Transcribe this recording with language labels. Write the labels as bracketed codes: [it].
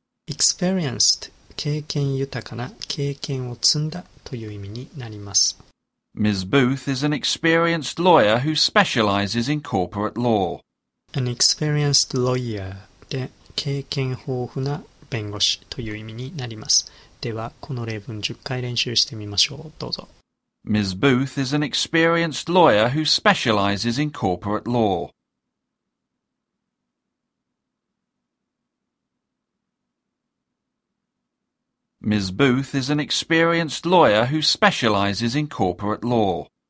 [ja] Experienced 経験豊かな、経験を積んだという意味になります。 [en] Ms. Booth is an experienced lawyer who specializes in corporate law. An experienced lawyer [ja] で経験豊富な弁護士という意味になります。では、この例文10回練習してみましょう。どうぞ。 [en] Ms. Booth is an experienced lawyer who specializes in corporate law. Ms. Booth is an experienced lawyer who specializes in corporate law.